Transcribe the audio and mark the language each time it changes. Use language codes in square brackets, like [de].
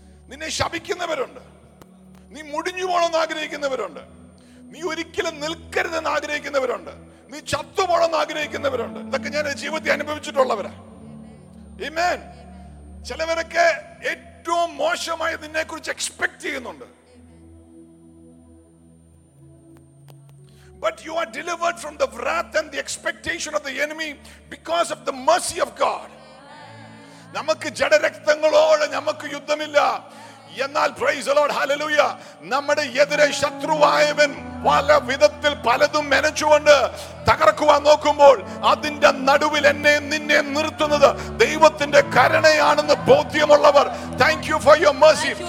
[ml] നിന്നെ ശപിക്കുന്നവരുണ്ട്, നീ മുടിഞ്ഞു പോകണമെന്ന് ആഗ്രഹിക്കുന്നവരുണ്ട്, നീ ഒരിക്കലും നിൽക്കരുതെന്ന് ആഗ്രഹിക്കുന്നവരുണ്ട്, നീ ചത്തുപോകണമെന്ന് ആഗ്രഹിക്കുന്നവരുണ്ട്. ഇതൊക്കെ ഞാൻ ജീവിതത്തിൽ അനുഭവിച്ചിട്ടുള്ളവരാ. ആമേൻ. ചിലവരൊക്കെ ഏറ്റവും മോശമായി നിന്നെ കുറിച്ച് എക്സ്പെക്ട് ചെയ്യുന്നുണ്ട്. [en] But you are delivered from the wrath and the expectation of the enemy because of the mercy of God. [ml] Namakku jada rakthangalode namakku yuddhamilla. എന്നാൽ പ്രൈസ് ദി ലോർഡ് ഹല്ലേലൂയ നമ്മുടെ എതിരെ ശത്രുവായവൻ പല വിധത്തിൽ പലതും മെനച്ചുകൊണ്ട് തകർക്കുവാൻ നോക്കുമ്പോൾ അതിന്റെ നടുവിൽ എന്നെ നിന്നെ നിർത്തുന്നത് ദൈവത്തിന്റെ കരുണയാണെന്ന് ബോധ്യമുള്ളവർ [en] Thank you for your mercy.